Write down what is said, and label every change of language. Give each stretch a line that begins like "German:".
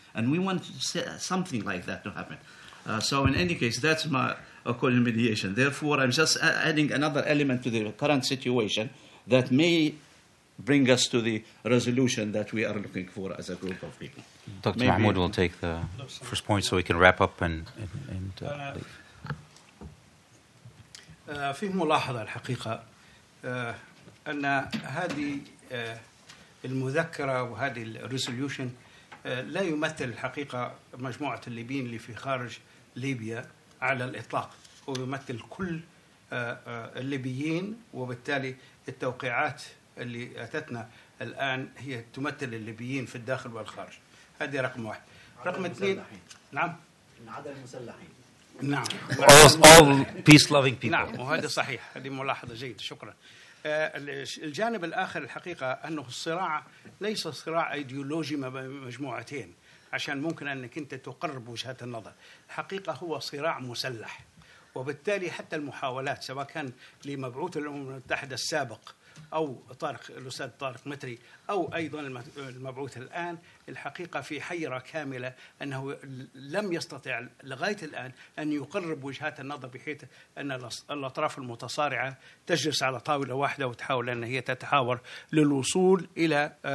English: And we want something like that to happen. So in any case, that's my according to mediation. Therefore, I'm just adding another element to the current situation that may bring us to the resolution that we are looking for as a group of people. Dr. Maybe Mahmoud will take the first point so we can wrap up and leave.
Arabic: في ملاحظة الحقيقة أن هذه المذكرة وهذه الريزوليوشن لا يمثل الحقيقة مجموعة الليبيين اللي في خارج ليبيا على الإطلاق هو يمثل كل الليبيين وبالتالي التوقيعات اللي أتتنا الآن هي تمثل الليبيين في الداخل والخارج هذه رقم واحد رقم اثنين نعم عدد المسلحين
English: all peace-loving people.
Arabic: نعم، وهذا صحيح. هذه ملاحظة جيدة. شكرا. الجانب الآخر الحقيقة أنه الصراع ليس صراع أيديولوجي ما بين مجموعتين عشان ممكن أنك أنت تقرب وجهة النظر. الحقيقة هو صراع مسلح. وبالتالي حتى المحاولات سواء كان لمبعوث الأمم المتحدة السابق أو طارق الأستاذ طارق متري أو أيضا المبعوث الآن الحقيقة في حيرة كاملة أنه لم يستطع لغاية الآن أن يقرب وجهات النظر بحيث أن الأطراف المتصارعة تجلس على طاولة واحدة وتحاول أن هي تتحاور للوصول إلى